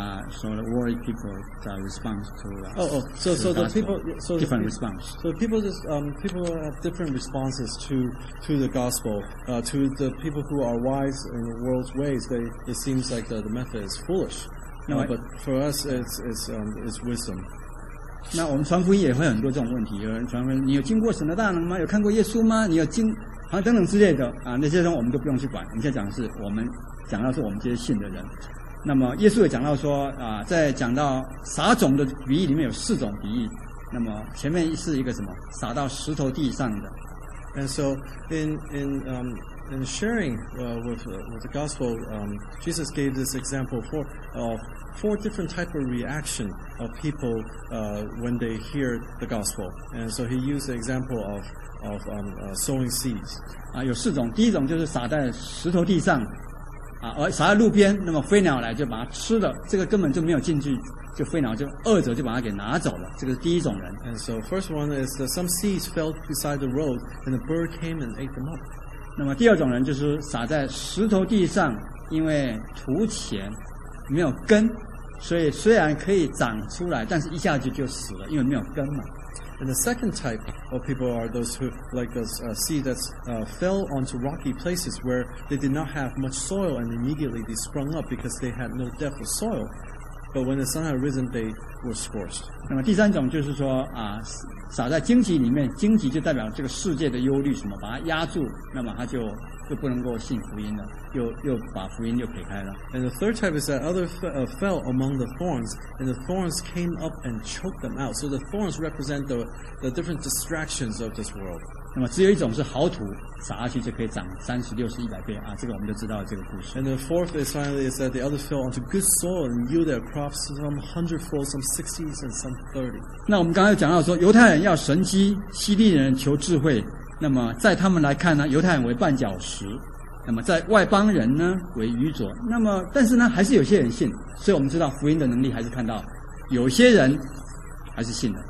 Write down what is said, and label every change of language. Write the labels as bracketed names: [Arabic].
[English] So the worried people's response to us. Different response. So people have different responses to the gospel. To the people who are wise in the world's ways, it seems like the method is foolish. No, but for us, it's wisdom. [Chinese] 那我们传福音也会很多这种问题。有人传福音，你有经过神的大能吗？有看过耶稣吗？你有经好，等等之类的啊，那些人我们都不用去管。我们现在讲的是我们讲到是我们这些信的人。那么耶稣也讲到说啊，在讲到撒种的比喻里面有四种比喻。那么前面是一个什么？撒到石头地上的。 [English] And so in sharing with the gospel, Jesus gave this example for four different type of reaction of people when they hear the gospel. And so he used the example of sowing seeds. [Chinese] 啊，有四种。第一种就是撒在石头地上，啊，撒在路边，那么飞鸟来就把它吃了，这个根本就没有进去。就飞鸟就饿着就把它给拿走了，这个是第一种人。 [English] And so first one is that some seeds fell beside the road and the bird came and ate them up. [Chinese] 那么第二种人就是撒在石头地上，因为土浅没有根，所以虽然可以长出来，但是一下子就死了，因为没有根嘛。 [English] And the second type of people are those who like a seed that fell onto rocky places where they did not have much soil and immediately they sprung up because they had no depth of soil. But when the sun had risen, they were scorched. [Chinese] 那么第三种就是说啊，撒在荆棘里面，荆棘就代表这个世界的忧虑什么，把它压住，那么它就不能够信福音了，又把福音又撇开了。 [English] And the third type is that other fell among the thorns, and the thorns came up and choked them out. So the thorns represent the different distractions of this world. [Chinese] 那么只有一种是好土，撒下去就可以长三十、六十、一百倍啊！这个我们就知道这个故事。 [English] And the fourth is finally is that the other fell onto good soil and yield their crops some hundredfold, some 60s, and some 30. [Chinese] 那我们刚才讲到说，犹太人要神迹，希利人求智慧。那么在他们来看呢，犹太人为绊脚石，那么在外邦人呢为愚拙。那么但是呢，还是有些人信，所以我们知道福音的能力还是看到有些人还是信的。